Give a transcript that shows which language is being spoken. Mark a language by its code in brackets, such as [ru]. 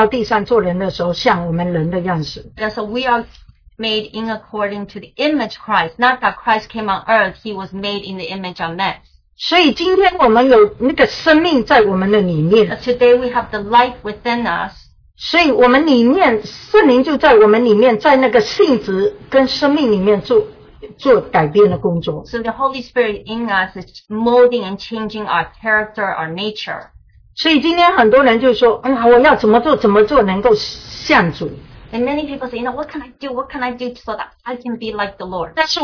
[zh] 我们是叫做基督的形象造的，不是主耶稣来到地上做人的时候像我们人的样式。 [en] Yeah, so we are made in according to the image of Christ, not that Christ came on earth, he was made in the image of men. [zh] 所以今天我们有那个生命在我们的里面。 [en] Today we have the life within us. [zh] 所以我们里面，圣灵就在我们里面，在那个性质跟生命里面住。 [en] So the Holy Spirit in us is molding and changing our character, our nature. [zh] 所以今天很多人就说，嗯，我要怎么做，怎么做能够像主。 [en] And many people say, you know, what can I do? What can I do so that I can be like the Lord?